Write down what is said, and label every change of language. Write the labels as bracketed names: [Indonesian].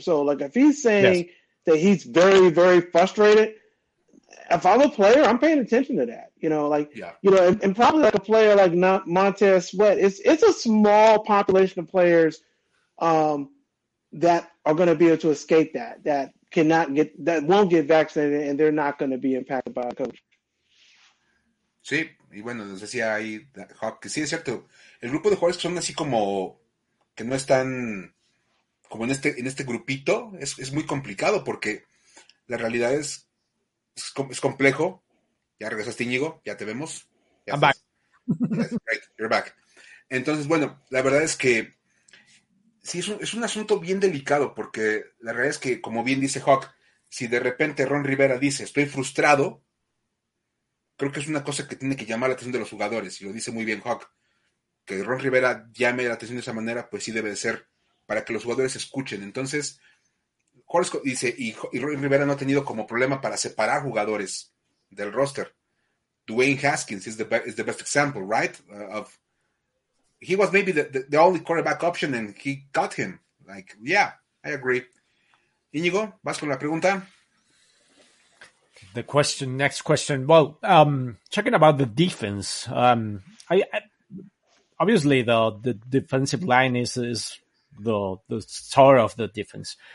[English] So, like, if he's saying yes. that he's very, very frustrated, if I'm a player, I'm paying attention to that. You know, like, yeah. you know, and probably like a player like Montez Sweat, it's a small population of players that are going to be able to escape that, that cannot get, that won't get vaccinated, and they're not going to be impacted by a coach. [Spanish] Sí, y bueno, nos decía ahí Hawk, que sí, es cierto, el grupo de jugadores que son así como, que no están como en este grupito, es muy complicado porque la realidad es complejo. Ya regresaste, Íñigo, ya te vemos. Ya [English] I'm back. Right, you're back. [Spanish] Entonces, bueno, la verdad es que sí, es un asunto bien delicado porque la realidad es que, como bien dice Hawk, si de repente Ron Rivera dice, estoy frustrado, creo que es una cosa que tiene que llamar la atención de los jugadores, y lo dice muy bien Hawk, que Ron Rivera llame la atención de esa manera, pues sí debe de ser, para que los jugadores escuchen. Entonces, Horsco dice, y Ron Rivera no ha tenido como problema para separar jugadores del roster. [English] Dwayne Haskins is the best example, right? He was maybe the only quarterback option, and he got him. Like, yeah, I agree. Íñigo, [Spanish] ¿vas con la pregunta? [English] The question, next question. Well, checking about the defense, obviously the defensive line is the star of the defense.